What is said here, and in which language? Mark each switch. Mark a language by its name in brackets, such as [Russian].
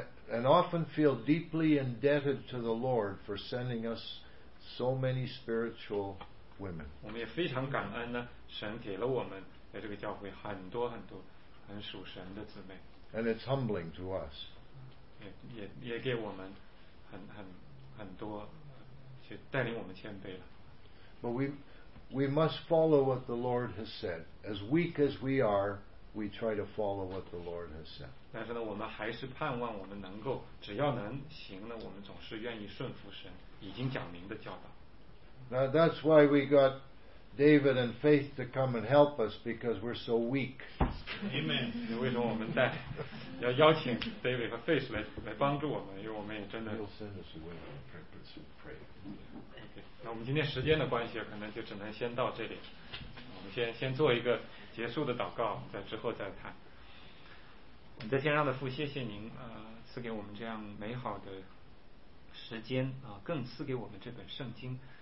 [English] And often feel deeply indebted to the Lord for sending us so many spiritual women. [Chinese] 我们也非常感恩呢，神给了我们在这个教会很多很多很属神的姊妹。 [English] And it's humbling to us. [Chinese] 也给我们很多，去带领我们谦卑了。 [English] But we must follow what the Lord has said. As weak as we are. We try to follow what the Lord has said. [Chinese] 但是呢，我们还是盼望我们能够，只要能行呢，我们总是愿意顺服神已经讲明的教导。 [English] Now that's why we got David and Faith to come and help us because we're so weak. [Chinese] Amen. 为什么我们要邀请 David 和 Faith 来帮助我们？因为我们也真的。 [English] You'll send us away on purpose and pray. [Chinese] Okay. 那我们今天时间的关系，可能就只能先到这里。我们先做一个结束的祷告，在之后再谈。我们在天上的父，谢谢您赐给我们这样美好的时间更赐给我们这本圣经。